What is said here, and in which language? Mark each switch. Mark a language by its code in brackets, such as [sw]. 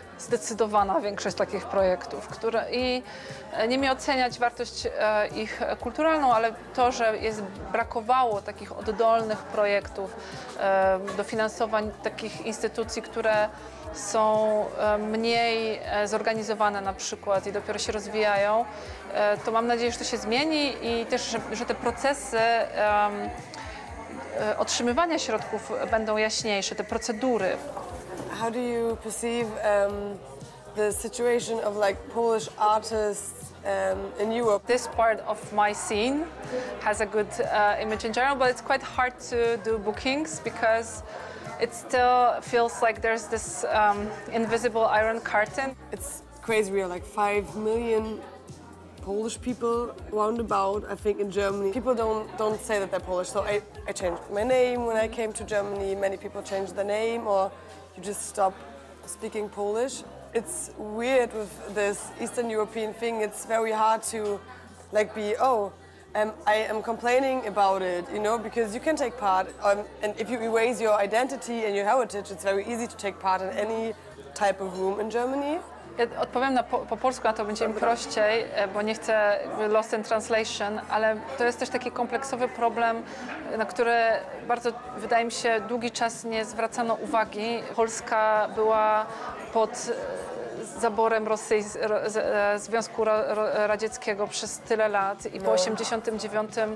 [pl] zdecydowana większość takich projektów, które i nie mi oceniać wartość ich kulturalną, ale to, że jest brakowało takich oddolnych projektów, dofinansowań takich instytucji, które są mniej zorganizowane na przykład i dopiero się rozwijają, to mam nadzieję, że to się zmieni i też, że te procesy otrzymywania środków będą jaśniejsze, te procedury. [en] How do you perceive the situation of like Polish artists in Europe? This part of my scene has a good image in general, but it's quite hard to do bookings because it still feels like there's this invisible iron curtain. It's crazy, we are like 5 million Polish people roundabout, I think, in Germany. People don't say that they're Polish, so I changed my name when I came to Germany. Many people changed their name, or you just stop speaking Polish. It's weird with this Eastern European thing. It's very hard to like be, oh, I am complaining about it, you know, because you can take part. And if you erase your identity and your heritage, it's very easy to take part in any type of room in Germany. [pl] Ja odpowiem po polsku, a to będzie im prościej, bo nie chcę [en] lost in translation, [pl] ale to jest też taki kompleksowy problem, na który bardzo, wydaje mi się, długi czas nie zwracano uwagi. Polska była pod zaborem Związku Radzieckiego przez tyle lat i po 89.